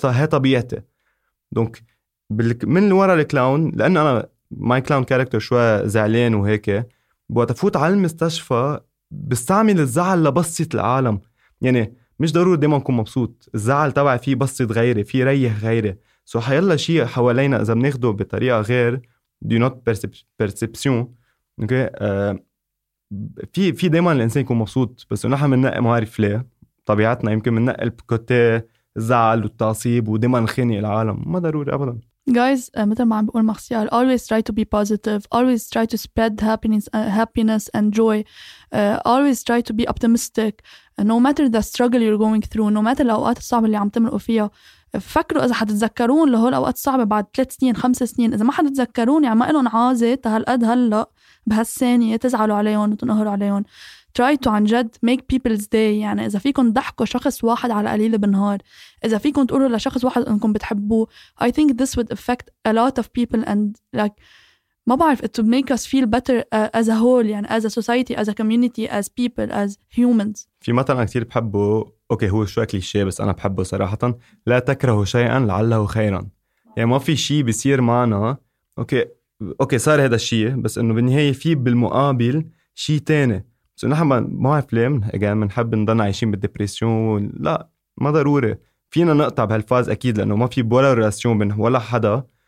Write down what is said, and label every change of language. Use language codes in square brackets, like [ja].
[ar] طبيعتي، دونك من ورا الكلاون لانه انا [en] my clown character [ar] شوي زعلان وهيك، بوقت افوت على المستشفى بستعمل الزعل لبسط العالم، يعني مش ضروري دايما اكون مبسوط، الزعل تبعي فيه بسط غيري، فيه ريح غيري، [en] so [ar] حيلا شيء حوالينا اذا بناخده بطريقه غير [en] دي not perception okay, [ar] في دايما الانسان يكون مبسوط، بس نحن بننقي ما عارف ليه طبيعتنا، يمكن بننقي الكوتي الزعل والتعصيب ودايما نخني العالم، ما ضروري ابدا. [en] Guys, [ar] مثل ما عم بقول مارسيال, [en] always try to be positive, always try to spread happiness and joy, always try to be optimistic, no matter [ar] the struggle you're going through, no matter الأوقات الصعبة اللي عم تمرقوا فيها, فكروا إذا حتتذكرون لهول الأوقات الصعبة بعد 3 سنين 5 سنين, إذا ما حتتذكرون يعني ما قلون عازة تهالقد هلأ بهالثانية تزعلوا عليهم وتنهروا عليهم, [en] try to [ar] عن جد [en] make people's day, [ar] يعني إذا فيكن ضحكوا شخص واحد على قليل بالنهار, إذا فيكن تقولوا لشخص واحد أنكم بتحبوه, [en] I think this would affect a lot of people and like [ar] ما بعرف [en] it would make us feel better as a whole, [ar] يعني [en] as a society, as a community, as people, as humans. [ar] في مثلا كتير بحبه, أوكي هو شوية كليشيه بس أنا بحبه صراحة, لا تكرهوا شيئا لعله خيرا, يعني ما في شيء بيصير معنا أوكي صار هذا الشيء, بس أنه بالنهاية في بالمقابل شيء تاني, بس نحن ما عارف ليه منحب نضلنا عايشين بالدبريسيون, لا ما ضروري, فينا نقطع بهالفاز أكيد, لأنه ما في ولا رياسيون من ولا حدا